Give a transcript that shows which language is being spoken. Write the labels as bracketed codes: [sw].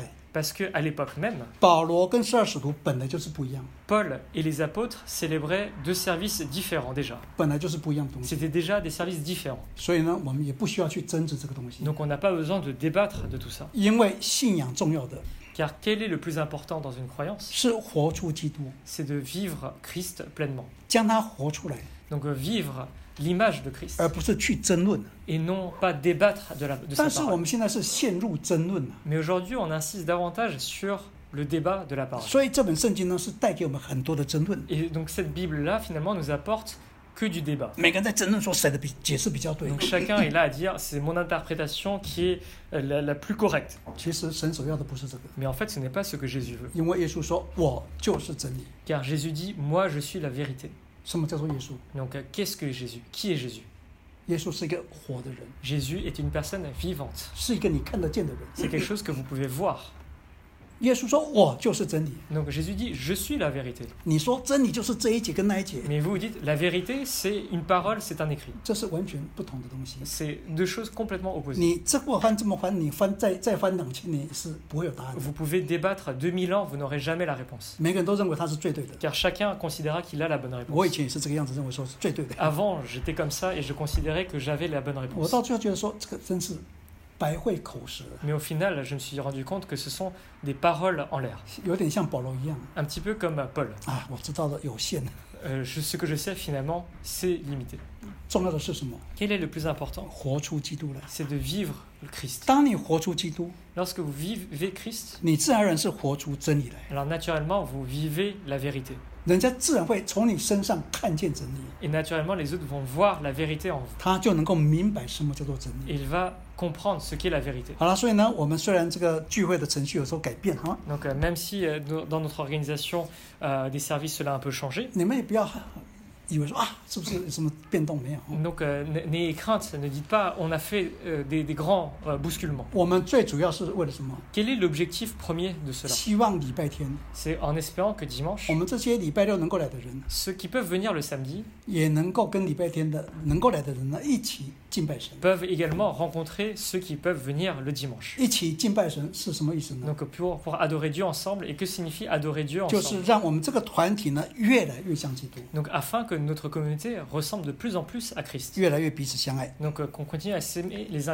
[fr] Parce qu'à l'époque même, Paul et les apôtres célébraient deux services différents déjà. C'était déjà des services différents. [zh] 所以呢，我们也不需要去争执这个东西。 [fr] Donc on n'a pas besoin de débattre de tout ça. [zh] 因为信仰重要的。 [fr] Car quel est le plus important dans une croyance ? [zh] 是活出基督。 [fr] C'est de vivre Christ pleinement. [zh] 将他活出来。 [fr] Donc vivre l'image de Christ. [zh] 而不是去争论。 [fr] Et non pas débattre de sa parole. [zh] 但是我们现在是陷入争论。 [fr] Mais aujourd'hui on insiste davantage sur... le débat de la parole. [zh] 所以这本圣经呢是带给我们很多的争论。 [fr] Et donc cette Bible là finalement nous apporte que du débat. [zh] 每个人在争论说谁的解释比较对。 [fr] Donc chacun est là à dire c'est mon interprétation qui est la plus correcte. [zh] 其实神所要的不是这个。 [fr] Mais en fait ce n'est pas ce que Jésus veut. [zh] 因为耶稣说我就是真理。 [fr] Car Jésus dit moi je suis la vérité. [zh] 什么叫做耶稣？ [fr] Donc qu'est-ce que Jésus? Qui est Jésus? [zh] 耶稣是一个活的人。 [fr] Jésus est une personne vivante. [zh] 是一个你看得见的人。 [fr] C'est quelque chose que vous pouvez voir. [zh] 耶稣说我就是真理。 [fr] Donc Jésus dit je suis la vérité. [zh] 你说真理就是这一节跟那一节。 [fr] Mais vous dites la vérité c'est une parole, c'est un écrit. [zh] 这是完全不同的东西。 [fr] C'est deux choses complètement opposées. [zh] 你这么翻这么翻，你翻再翻两千年是不会有答案的。 [fr] Vous pouvez débattre 2000 ans, vous n'aurez jamais la réponse. [zh] 每个人都认为他是最对的。 [fr] Car chacun considérera qu'il a la bonne réponse. [zh] 我以前也是这个样子认为说是最对的。 [fr] Avant j'étais comme ça et je considérais que j'avais la bonne réponse. [zh] 我到最后觉得说这个真是。白会口舌。 [fr] Mais au final, je me suis rendu compte que ce sont des paroles en l'air. [zh] 有点像保罗一样。 [fr] Un petit peu comme Paul. [zh] 啊，我知道的有限。 [fr] Ce que je sais finalement, c'est limité. [zh] 重要的是什么 [fr] ？Quel est le plus important？ [zh] 活出基督来。 [fr] C'est de vivre le Christ. [zh] 当你活出基督 [fr] ，lorsque vous vivez Christ， [zh] 你自然而然是活出真理来。 [fr] Alors naturellement, vous vivez la vérité. [zh] 人家自然会从你身上看见真理。 [fr] Et naturellement, les autres vont voir la vérité en vous. [zh] 他就能够明白什么叫做真理。 [fr] Il va comprendre ce qu'est la vérité. [zh] 好了，所以呢，我们虽然这个聚会的程序有时候改变哈。 [fr] Donc même si dans notre organisation des services cela a un peu changé. [zh] 你们也不要以为说啊，是不是有什么变动没有 [fr] ？Donc n'ayez crainte, ne dites pas on a fait des grands bousculements. [zh] 我们最主要是为了什么 [fr] ？Quel est l'objectif premier de cela？ [zh] 希望礼拜天。 [fr] C'est en espérant que dimanche. [zh] 我们这些礼拜六能够来的人。 [fr] Ceux qui peuvent venir le samedi. [zh] 也能够跟礼拜天的能够来的人呢一起。 [fr] peuvent également rencontrer ceux qui peuvent venir le dimanche. [zh] 一起敬拜神是什么意思呢 [fr] ？Donc pour adorer Dieu ensemble et que signifie adorer Dieu ensemble？ [zh] 就是让我们这个团体呢越来越像基督。 [fr] Donc afin que notre communauté ressemble de plus en plus à Christ. [zh] 越来越彼此相爱。 [fr] Donc qu'on continue à s'aimer les uns les autres.